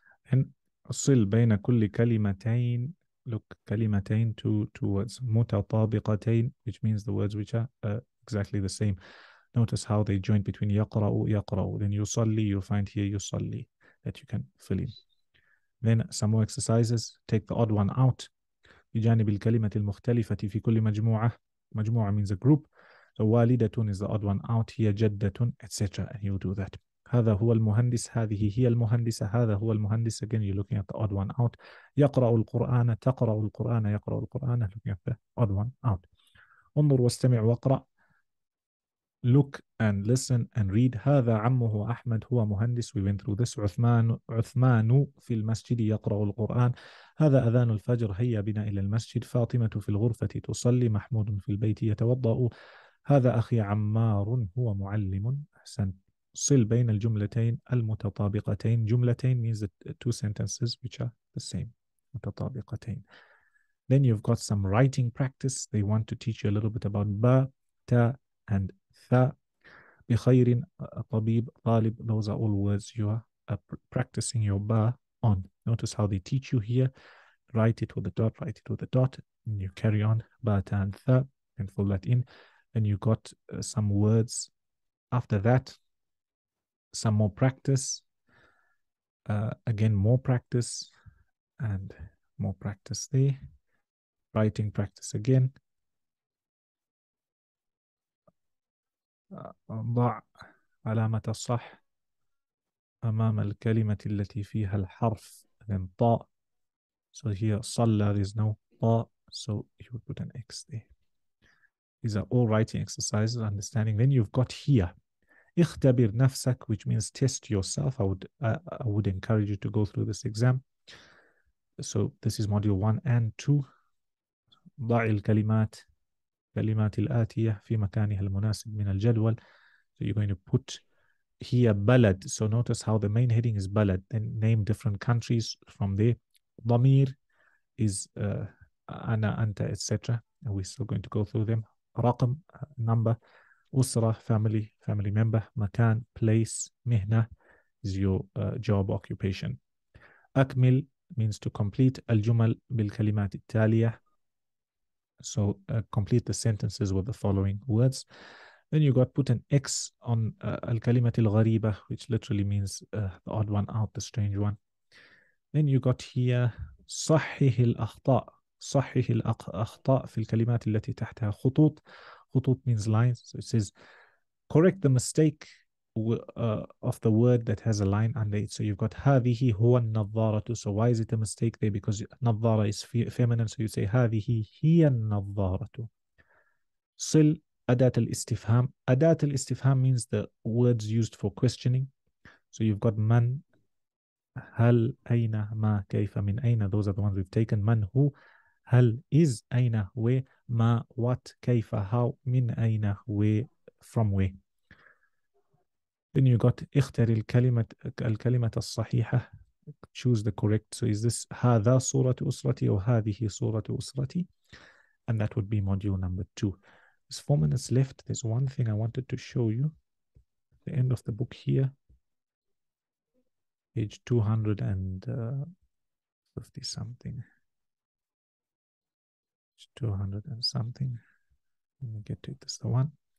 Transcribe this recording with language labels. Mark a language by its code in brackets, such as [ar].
[ar] And صل بين كل كلمتين. [en] Look, كلمتين, two words. متطابقتين, which means the words which are exactly the same. Notice how they join between يقرأ يقرأ. Then يصلي, you find here يصلي, that you can fill in. Then some more exercises. Take the odd one out. [ar] بجانب الكلمة المختلفة في كل مجموعة. [en] مجموعة means a group. So والدة is the odd one out. [ar] هي جدة, [en] etc. And you do that. [ar] هذا هو المهندس. هذه هي المهندسة. هذا هو المهندس. [en] Again, you're looking at the odd one out. [ar] يقرأ القرآن. تقرأ القرآن. يقرأ القرآن. [en] Looking at the odd one out. [ar] انظر واستمع وقرأ. [en] Look and listen and read. [ar] هذا عمه أحمد هو مهندس. [en] We went through this. [ar] عثمان في المسجد يقرأ القرآن. هذا أذان الفجر هيا بنا إلى المسجد. فاطمة في الغرفة تصلي. محمود في البيت يتوضأ. هذا أخي عمار هو معلم. أحسن. صل بين الجملتين المتطابقتين. [en] جملتين means two sentences which are the same. [ar] متطابقتين. [en] Then you've got some writing practice. They want to teach you a little bit about ba, ta and [ar] بخير طبيب طالب. [en] Those are all words you are practicing your ba on. Notice how they teach you here. Write it with a dot, write it with a dot, and you carry on ba ta and tha and fill that in. And you got some words after that, some more practice, again more practice and more practice there, writing practice again. ضع علامة الصح أمام الكلمة التي فيها الحرف من طاء. So here صلى is no طاء. So you would put an X there. These are all writing exercises, understanding. Then you've got here. [ar] اختبر نفسك, [en] which means test yourself. I would encourage you to go through this exam. So this is module 1 and 2. [ar] ضع الكلمات, كلمات الآتية في مكانها المناسب من الجدول. [en] So you're going to put here بلد. So notice how the main heading is بلد. Then name different countries from there. [ar] ضمير is أنا, أنت, etc. [en] And we're still going to go through them. رقم, number. أسرة, family, family member. مكان, place. مهنة is your job occupation. [ar] أكمل [en] means to complete [ar] الجمل بالكلمات التالية. [en] So complete the sentences with the following words. Then you got put an X on [ar] الكلمة الغريبة, [en] which literally means the odd one out, the strange one. Then you got here [ar] صحيح الأخطاء. صحيح الأخطاء في الكلمات التي تحتها خطوط. [en] خطوط means lines. So it says correct the mistake of the word that has a line under it. So you've got [ar] هذه هو النظارة. [en] So why is it a mistake there? Because نظارة is feminine. So you say [ar] هذه هي النظارة. صل أداة الاستفهام. [en] أداة الاستفهام means the words used for questioning. So you've got [ar] من, هل, أين, ما, كيف, من أين. [en] Those are the ones we've taken. من, who, هل, is, أين, where, ما, what, كيف, how, من أين, where, from where. Then you got [ar] اختر الكلمة, الكلمة الصحيحة. [en] Choose the correct. So is this [ar] هذا صورة أسرتي or هذه صورة أسرتي. [en] And that would be module number 2. There's 4 minutes left. There's one thing I wanted to show you. At the end of the book here. Page 250 something. 200 and something. Let me get to it. This is the one.